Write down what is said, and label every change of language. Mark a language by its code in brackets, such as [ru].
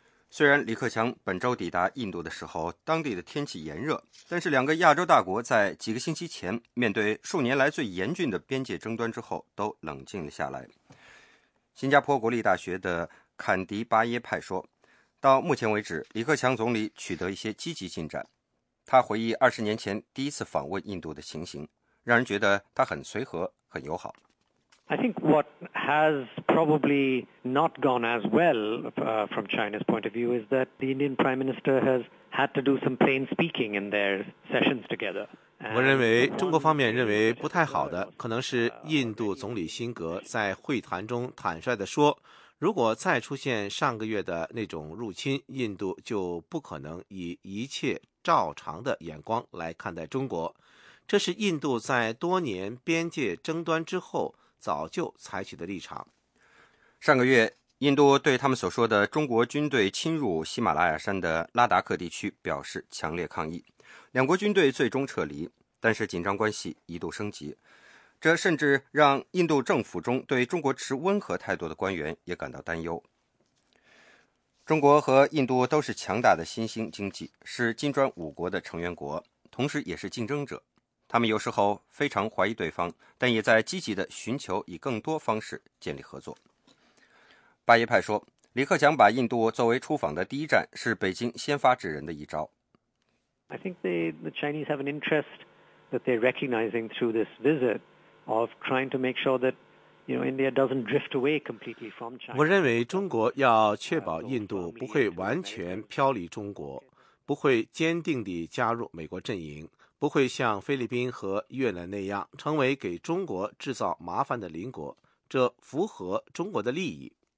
[zh] 虽然李克强本周抵达印度的时候，当地的天气炎热，但是两个亚洲大国在几个星期前面对数年来最严峻的边界争端之后，都冷静了下来。新加坡国立大学的坎迪巴耶派说，到目前为止，李克强总理取得一些积极进展。他回忆20年前第一次访问印度的情形，让人觉得他很随和，很友好。 [en] I think what has probably not gone as well, from China's point of view is that the Indian Prime Minister has had to do some plain speaking in their sessions together. [zh] 我认为中国方面认为不太好的可能是印度总理辛格在会谈中坦率地说，如果再出现上个月的那种入侵，印度就不可能以一切照常的眼光来看待中国。这是印度在多年边界争端之后早就采取的立场。上个月，印度对他们所说的中国军队侵入喜马拉雅山的拉达克地区表示强烈抗议，两国军队最终撤离，但是紧张关系一度升级，这甚至让印度政府中对中国持温和态度的官员也感到担忧。中国和印度都是强大的新兴经济，是金砖五国的成员国，同时也是竞争者。他们有时候非常怀疑对方，但也在积极地寻求以更多方式建立合作。巴耶派说，李克强把印度作为出访的第一站是北京先发制人的一招。 [en] I think the Chinese have an interest that they're recognizing through this visit of trying to make sure that, you know, India doesn't drift away completely from China. [zh] 我认为中国要确保印度不会完全飘离中国，不会坚定地加入美国阵营，不会像菲律宾和越南那样成为给中国制造麻烦的邻国，这符合中国的利益。